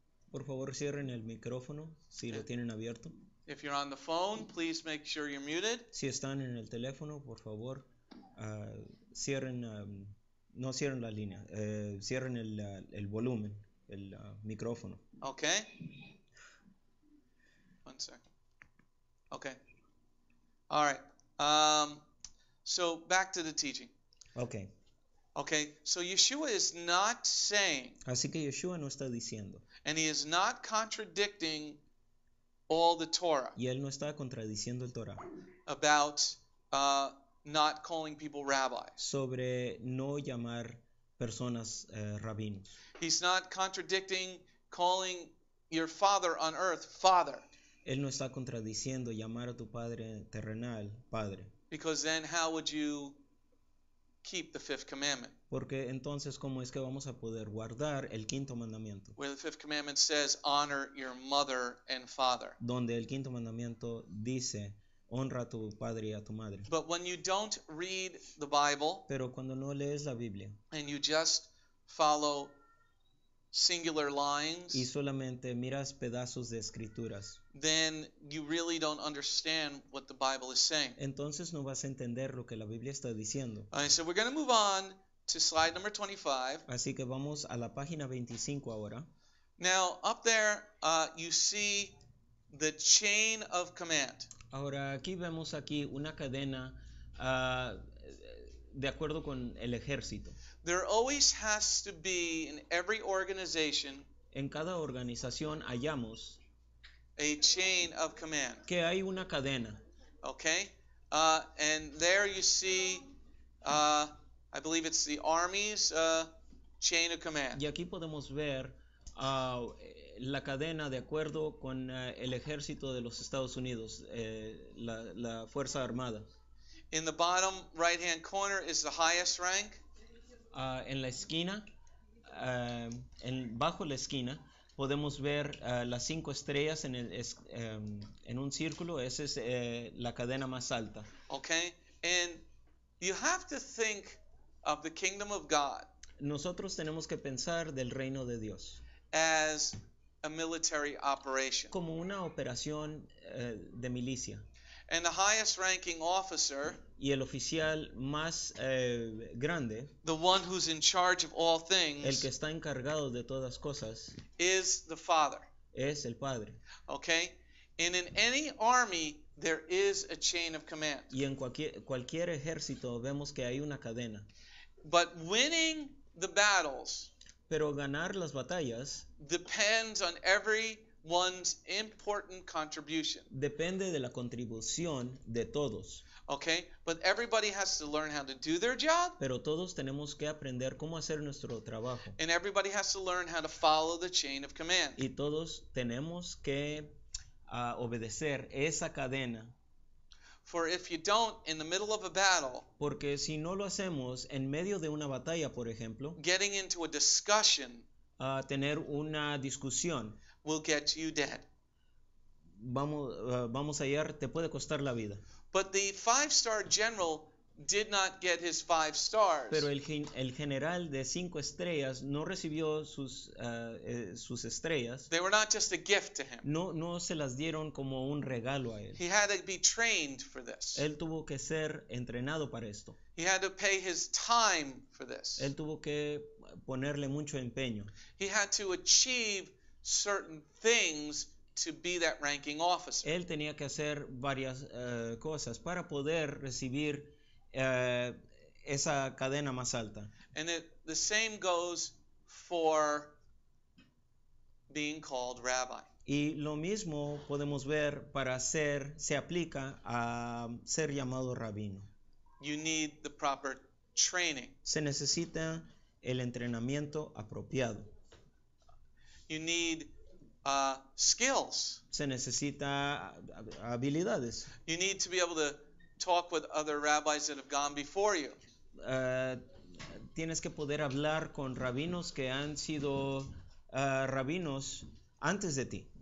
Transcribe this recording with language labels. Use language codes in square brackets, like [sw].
[es] Por favor, cierren el micrófono si lo tienen abierto. [en] If you're on the phone, please make sure you're muted. [es] Si están en el teléfono, por favor, cierren, no cierren la línea, cierren el volumen, el micrófono. [en] Okay. One second. Okay. All right. So back to the teaching. Okay. Okay, so Yeshua is not saying. [es] Así que Yeshua no está diciendo. [en] And he is not contradicting all the Torah. [es] Y él no está contradiciendo el Torah. [en] About not calling people rabbis. [es] Sobre no llamar personas rabinos. [en] He's not contradicting calling your father on earth father. [es] Él no está contradiciendo llamar a tu padre terrenal padre. [en] Because then how would you keep the fifth commandment? [es] Porque entonces, ¿cómo es que vamos a poder guardar el quinto mandamiento? [en] Where the fifth commandment says, honor your mother and father. [es] Donde el quinto mandamiento dice, honra a tu padre y a tu madre. [en] But when you don't read the Bible, [es] pero cuando no lees la Biblia, [en] and you just follow singular lines, [es] y solamente miras pedazos de escrituras, [en] then you really don't understand what the Bible is saying. [es] Entonces no vas a entender lo que la Biblia está diciendo. [en] All right, so we're going to move on to slide number 25. [es] Así que vamos a la página 25 ahora. [en] Now, up there, you see the chain of command. [es] Ahora, aquí vemos aquí una cadena de acuerdo con el ejército. [en] There always has to be in every organization. [es] En cada organización hallamos [en] a chain of command. [es] Que hay una cadena. [en] Okay, and there you see, I believe it's the army's chain of command. [es] Y aquí podemos ver la cadena de acuerdo con el ejército de los Estados Unidos, la fuerza armada. [en] In the bottom right-hand corner is the highest rank. [es] En la esquina, en bajo la esquina, podemos ver las cinco estrellas en el en un círculo. Esa es la cadena más alta. [en] Okay, and you have to think of the kingdom of God. [es] Nosotros tenemos que pensar del reino de Dios. [en] As a military operation. [es] Como una operación de milicia. [en] And the highest ranking officer, [es] y el oficial más grande, [en] the one who's in charge of all things, [es] el que está encargado de todas cosas, [en] is the father. [es] Es el padre. [en] Okay? And in any army, there is a chain of command. [es] Y en cualquier ejército vemos que hay una cadena. [en] But winning the battles, [es] pero ganar las batallas, [en] depends on every one's important contribution. [es] Depende de la contribución de todos. [en] Okay, but everybody has to learn how to do their job. [es] Pero todos tenemos que aprender cómo hacer nuestro trabajo. [en] And everybody has to learn how to follow the chain of command. [es] Y todos tenemos que obedecer esa cadena. [en] For if you don't, in the middle of a battle, [es] porque si no lo hacemos en medio de una batalla, por ejemplo, [en] getting into a discussion, [es] tener una discusión, [en] will get you dead. [es] Vamos a hallar, te puede costar la vida. [en] But the five-star general did not get his five stars. [es] Pero el general de cinco estrellas no recibió sus estrellas. [en] They were not just a gift to him. [es] No se las dieron como un regalo a él. [en] He had to be trained for this. [es] Él tuvo que ser entrenado para esto. [en] He had to pay his time for this. [es] Él tuvo que ponerle mucho empeño. [en] He had to achieve certain things to be that ranking officer. [es] Él tenía que hacer varias cosas para poder recibir esa cadena más alta. [en] And the same goes for being called rabbi. [es] Y lo mismo podemos ver para ser, se aplica a ser llamado rabino. [en] You need the proper training. [es] Se necesita el entrenamiento apropiado. [en] You need skills. [es] Se necesita habilidades. [en] You need to be able to talk with other rabbis that have gone before you. [es] Tienes que poder hablar con rabinos que han sido rabinos antes de ti.